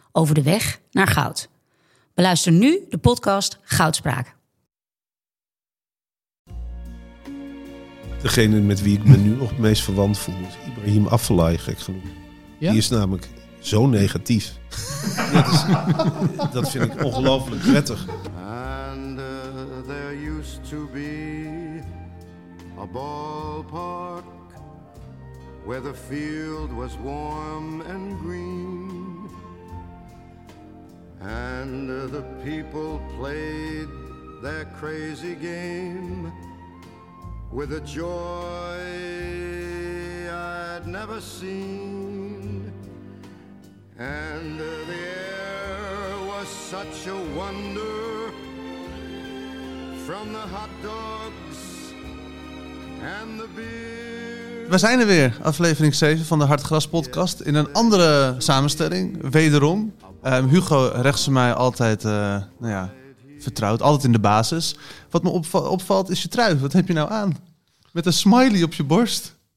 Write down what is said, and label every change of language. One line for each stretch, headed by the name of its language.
Dutch: Over de weg naar goud. Beluister nu de podcast Goudspraak. Degene met wie ik me nu nog het meest verwant voel is Ibrahim Afellay, gek genoeg. Ja? Die is namelijk zo negatief. Dat vind ik ongelooflijk prettig.
English: And there used to be a ballpark where the field was warm and green. And the people played their crazy game with a joy I'd never seen. And the air was such a wonder, from the hot dogs and the beer.
Dutch: We zijn er weer, aflevering 7 van de Hartgras podcast, in een andere samenstelling, wederom. Hugo rechts van mij altijd vertrouwd, altijd in de basis. Wat me opvalt is je trui, wat heb je nou aan? Met een smiley op je borst.